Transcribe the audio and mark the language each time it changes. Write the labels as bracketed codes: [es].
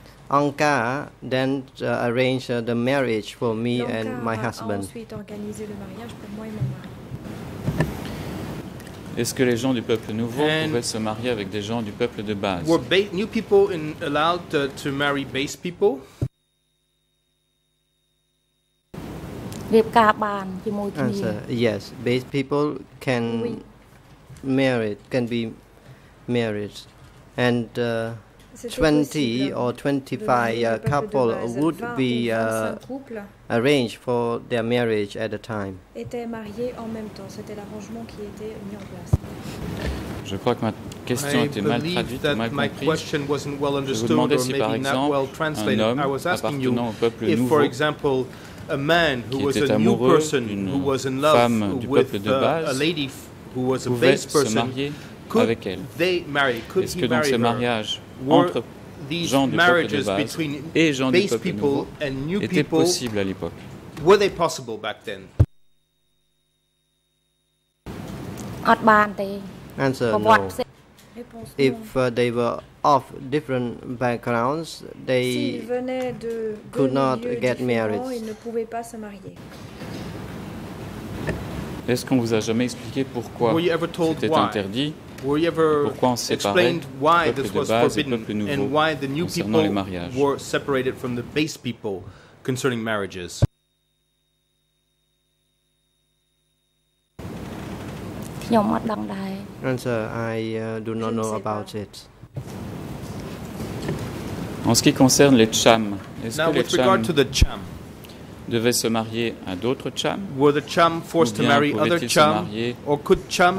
[en] Anka then arranged the marriage for me and my husband. [fr] Est-ce que les gens du peuple nouveau pouvaient se marier avec des gens du peuple de base? [en] Were new people allowed to marry base people? Answer, yes, base people can be married, and 20 or 25 couple would be arranged for their marriage at the time. [fr] Étaient mariés en même temps. C'était l'arrangement qui était mis en place. Je crois que ma question était mal traduite ou mal comprise. [en] Well, [fr] je vous demandais si, par exemple, un homme appartenant au peuple nouveau, [en] a man who was a new person, who was in love with a lady who was a base person, could they marry? Could he marry her? Were these marriages between base people and new people, were they possible back then? Answer, no. If they were of different backgrounds, they could not get married. [fr] Ils ne pouvaient pas se marier. Est-ce qu'on vous a jamais expliqué pourquoi c'était interdit? [en] Were you ever explained why this was forbidden and why the new people were separated from the base people concerning marriages? Answer, I do not know about it. [fr] En ce qui concerne les cham, est-ce [en] now, [fr] que les cham, cham devaient se marier à d'autres cham? [en] Were the cham forced to marry other cham, or could cham